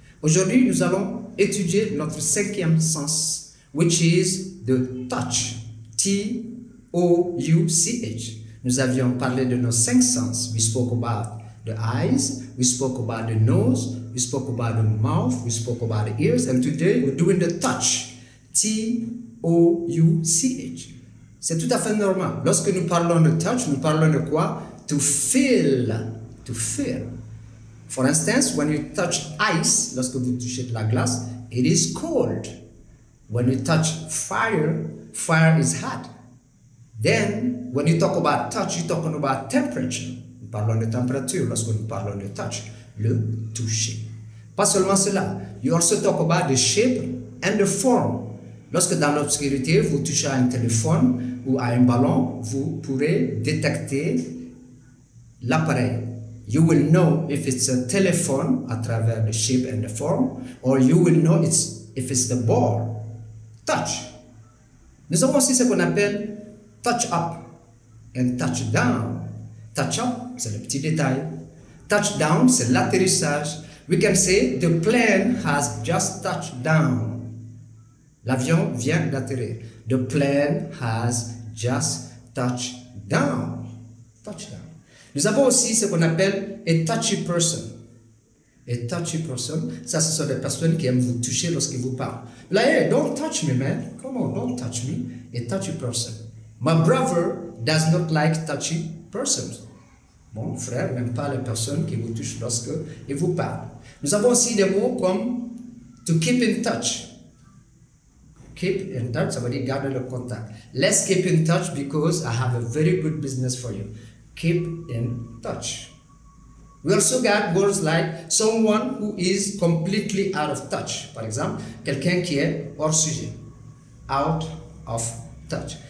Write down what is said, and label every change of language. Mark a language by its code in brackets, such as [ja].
[fr] Aujourd'hui, nous allons étudier notre cinquième sens, [en] which is the touch, T-O-U-C-H. [fr] Nous avions parlé de nos cinq sens. [en] We spoke about the eyes, we spoke about the nose, we spoke about the mouth, we spoke about the ears, and today we're doing the touch, T-O-U-C-H. [fr] C'est tout à fait normal. Lorsque nous parlons de touch, nous parlons de quoi? [en] To feel. To feel. For instance, when you touch ice, [fr] lorsque vous touchez de la glace, [en] it is cold. When you touch fire, fire is hot. Then, when you talk about touch, you're talking about temperature. [fr] Nous parlons de température lorsque nous parlons de touch, le toucher. Pas seulement cela, [en] you also talk about the shape and the form. [fr] Lorsque dans l'obscurité, vous touchez à un téléphone ou à un ballon, vous pourrez détecter l'appareil. [en] You will know if it's a telephone [fr] à travers [en] the shape and the form, or you will know it's if it's the ball. [fr] Touch. Nous avons aussi ce qu'on appelle [en] touch up and touch down. [fr] Touch up, c'est le petit détail. Touch down, c'est l'atterrissage. [en] We can say the plane has just touched down. [fr] L'avion vient d'atterrir. [en] The plane has just touched down. Touch down. [fr] Nous avons aussi ce qu'on appelle [en] a touchy person. A touchy person, [fr] ça ce sont des personnes qui aiment vous toucher lorsqu'ils vous parlent. [en] Like, hey, don't touch me, man. Come on, don't touch me. A touchy person. My brother does not like touchy persons. [fr] Mon frère n'aime pas les personnes qui vous touchent lorsqu'ils vous parlent. Nous avons aussi des mots comme [en] to keep in touch. [fr] Keep in touch, ça veut dire garder le contact. [en] Let's keep in touch because I have a very good business for you. Keep in touch. We also got words like someone who is completely out of touch. For example, [fr] quelqu'un qui est hors sujet. [en] Out of touch.